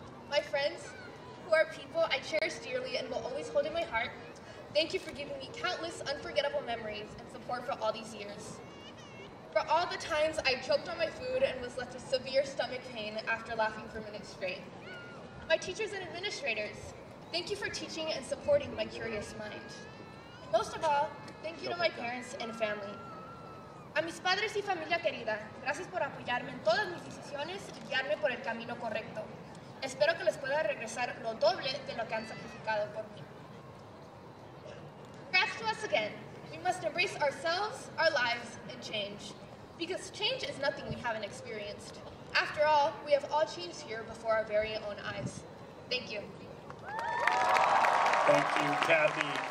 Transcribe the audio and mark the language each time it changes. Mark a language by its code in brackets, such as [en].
[en] My friends, who are people I cherish dearly and will always hold in my heart, thank you for giving me countless unforgettable memories and support for all these years. For all the times I choked on my food and was left with severe stomach pain after laughing for minutes straight. My teachers and administrators, thank you for teaching and supporting my curious mind. And most of all, thank you to my parents and family. [es] A mis padres y familia querida, gracias por apoyarme en todas mis decisiones y guiarme por el camino correcto. Espero que les pueda regresar lo doble de lo que han sacrificado por mí. [en] Congrats to us again. We must embrace ourselves, our lives, and change. Because change is nothing we haven't experienced. After all, we have all changed here before our very own eyes. Thank you. Thank you, Kathy.